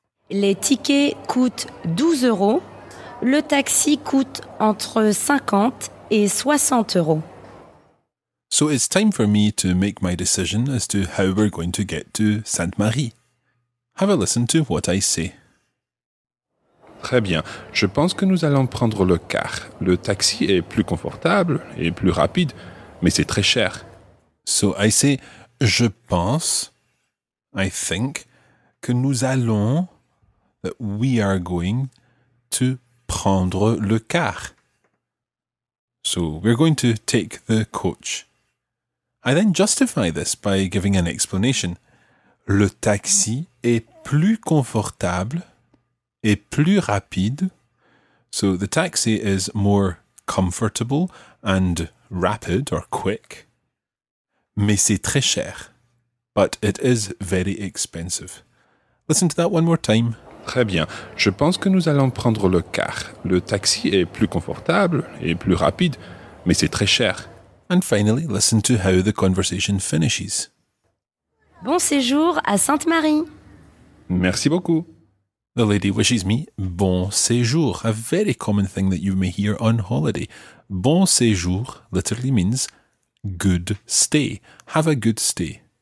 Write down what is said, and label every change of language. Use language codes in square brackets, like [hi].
[fr] Les tickets coûtent 12 euros. Le taxi coûte entre 50 et 60 euros. [en] So it's time for me to make my decision as to how we're going to get to Sainte-Marie. Have a listen to what I say. [fr] Très bien. Je pense que nous allons prendre le car. Le taxi est plus confortable et plus rapide, mais c'est très cher. [en] So I say, [fr] je pense, [en] I think, [fr] que nous allons, [en] that we are going to [fr] prendre le car. [en] So we're going to take the coach. I then justify this by giving an explanation. [fr] Le taxi est plus confortable et plus rapide. [en] So the taxi is more comfortable and rapid or quick. [fr] Mais c'est très cher. [en] But it is very expensive. Listen to that one more time. [fr] Très bien. Je pense que nous allons prendre le car. Le taxi est plus confortable et plus rapide, mais c'est très cher. [en] And finally, listen to how the conversation finishes. [fr] Bon séjour à Sainte-Marie. Merci beaucoup. [en] The lady wishes me [fr] bon séjour, [en] a very common thing that you may hear on holiday. [fr] Bon séjour [en] literally means good stay. Have a good stay.